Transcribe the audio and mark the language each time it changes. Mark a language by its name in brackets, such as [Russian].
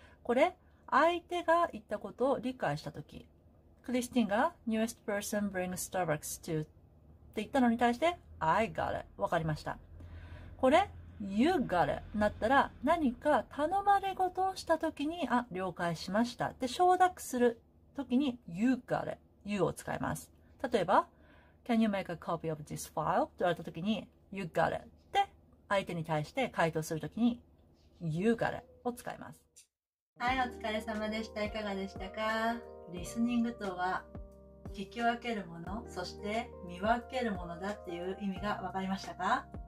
[Japanese] これ、相手が言ったことを理解したとき、クリスティンが、 [English] Newest person brings Starbucks to [Japanese] って言ったのに対して I got it、 わかりました。これ You got it なったら、何か頼まれ事をした時に、あ、了解しましたって承諾する時に You got it、 You を使います。 [English] 例えば Can you make a copy of this file? [Japanese] と言われた時に You got it って相手に対して回答する時に You got it を使います。はい、お疲れ様でした。いかがでしたか？リスニングとは聞き分けるもの、そして見分けるものだっていう意味が分かりましたか？